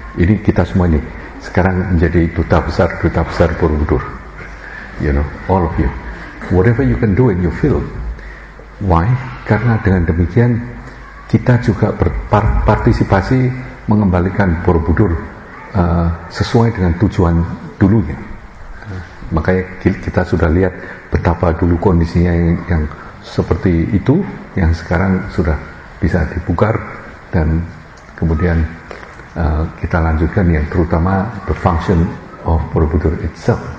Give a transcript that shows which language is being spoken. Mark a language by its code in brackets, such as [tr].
[id] Ini kita semua ini sekarang menjadi duta besar Borobudur. [en] You know, all of you, whatever you can do in your field. Why? [id] Karena dengan demikian kita juga berpartisipasi mengembalikan Borobudur sesuai dengan tujuan dulunya. Makanya kita sudah lihat betapa dulu kondisinya yang seperti itu, yang sekarang sudah bisa dibugar, dan kemudian kita lanjutkan yang terutama [en] the function of Borobudur itself.